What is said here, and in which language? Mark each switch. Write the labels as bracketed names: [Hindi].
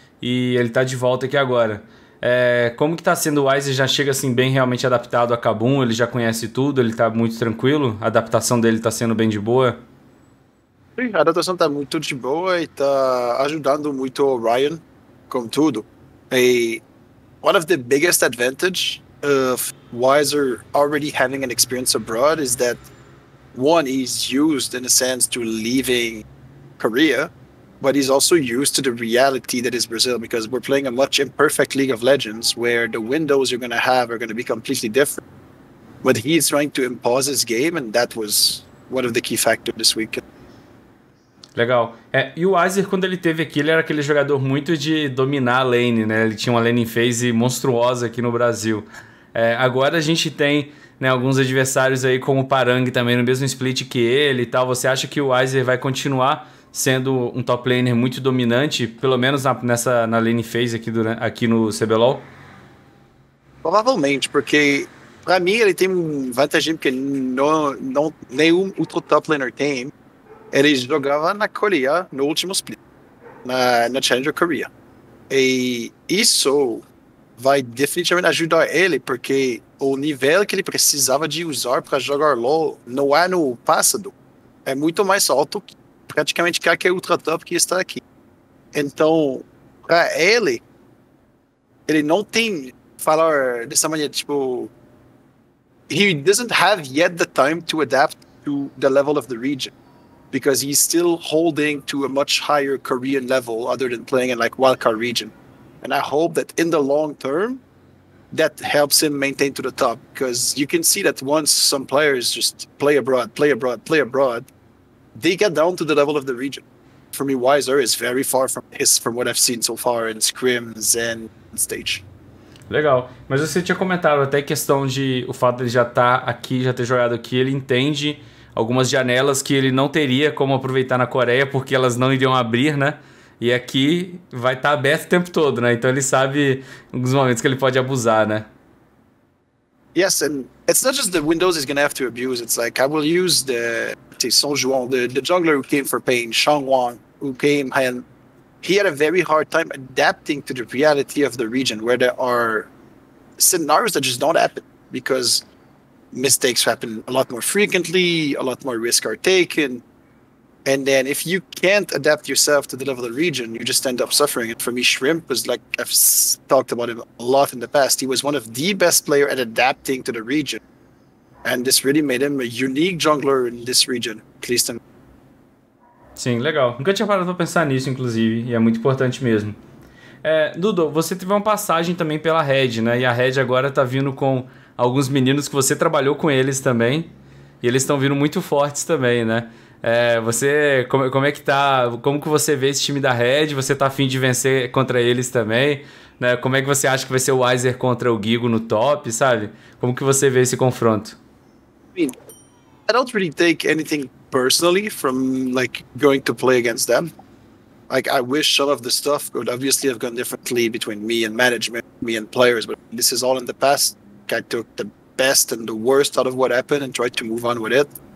[Portuguese] E ele tá de volta aqui agora. Como que tá sendo o Wise? Já chega assim bem realmente adaptado a Kabum? Ele já conhece tudo? Ele tá muito tranquilo? A adaptação dele tá sendo bem de boa? Sim, a adaptação tá muito de boa e tá ajudando muito o Ryan com tudo. [English] E one of the biggest advantage of Wise already having an experience abroad is that one, he's used in a sense to leaving Korea, but he's also used to the reality that is Brazil, because we're playing a much imperfect League of Legends where the windows you're going to have are going to be completely different. But he's trying to impose his game, and that was one of the key factors this week. [Portuguese] Legal. É, e o Azir, quando ele teve aqui, ele era aquele jogador muito de dominar a lane, né? Ele tinha uma lane phase monstruosa aqui no Brasil. É, agora a gente tem, né, alguns adversários aí como o Parang também, no mesmo split que ele e tal. Você acha que o Azir vai continuar sendo um top laner muito dominante, pelo menos na lane phase aqui, aqui no CBLOL? Provavelmente, porque pra mim ele tem uma vantagem que nenhum outro top laner tem. Ele jogava na Coreia no último split, na Challenger Korea. E isso vai definitivamente ajudar ele, porque o nível que ele precisava de usar para jogar LoL no ano passado é muito mais alto que praticamente qualquer outro top que está aqui. Então, para ele, ele não tem falar dessa maneira, tipo, [English] he doesn't have yet the time to adapt to the level of the region, because he's still holding to a much higher Korean level other than playing in like wildcard region. And I hope that in the long term, that helps him maintain to the top, because you can see that once some players just play abroad, play abroad, play abroad, they get down to the level of the region. For me, Wiser is very far from his, from what I've seen so far in scrims and stage. [Portuguese] Legal, mas você tinha comentado até questão de o fato de ele já estar aqui, já ter jogado aqui, ele entende algumas janelas que ele não teria como aproveitar na Coreia, porque elas não iriam abrir, né? E aqui vai estar aberto o tempo todo, né? Então ele sabe alguns momentos que ele pode abusar, né? [English] Yes, and it's not just the windows he's gonna have to abuse. It's like, I will use the São João, the jungler who came for pain, Shang Wang, who came and he had a very hard time adapting to the reality of the region, where there are scenarios that just don't happen because mistakes happen a lot more frequently, a lot more risks are taken. And then if you can't adapt yourself to the level of the region, you just end up suffering. And for me, Shrimp was like, I've talked about him a lot in the past. He was one of the best players at adapting to the region. And this really made him a unique jungler in this region, at least in. [Portuguese] Sim, legal. Nunca tinha parado pra pensar nisso, inclusive, e é muito importante mesmo. É, Dudu, você teve uma passagem também pela Red, né? E a Red agora tá vindo com alguns meninos que você trabalhou com eles também, e eles estão vindo muito fortes também, né? É, você, como é que tá, como que você vê esse time da Red? Você tá afim de vencer contra eles também, né? Como é que você acha que vai ser o Wiser contra o Gigo no top, sabe? Como que você vê esse confronto? [English] I mean, I don't really take anything personally from like going to play against them. Like, I wish some of the stuff could obviously have gone differently between me and management, me and players, but this is all in the past. I took the best and the worst out of what happened and tried to move on with it.